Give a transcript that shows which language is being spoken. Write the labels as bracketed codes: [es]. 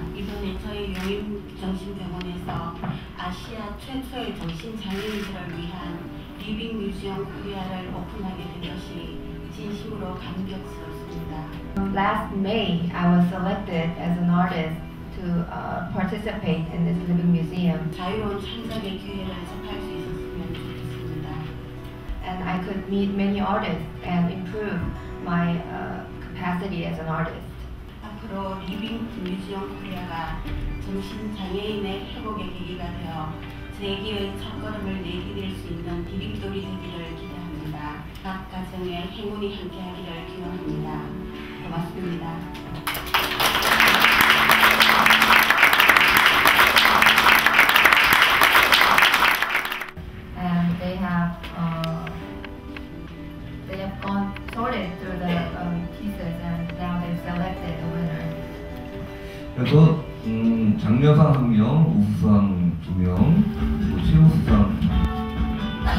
[ko] 이번에 저희 용인정신병원에서 아시아 최초의 정신장애인들을 위한 리빙 뮤지엄 코리아를 오픈하게 된 것이 진심으로 감격스럽습니다. [en] Last May, I was selected as an artist to participate in this living museum. [ko] 자유로운 창작의 기회를 접할 수 있었으면 좋겠습니다. [en] And I could meet many artists and improve my capacity as an artist. [ko] 앞으로 리빙 뮤지엄 코리아가 정신장애인의 회복의 계기가 되어 재기의 첫걸음을 내디딜 수 있는 디빙돌이 되기를 기대합니다. 각 가정의 행운이 함께하기를 기원합니다. 고맙습니다. [en] And they have gone sorted through the pieces and now they've selected a winner. [ko] 그래서 장려상 한 명, 우수상 두 명, 그리고 최우수상.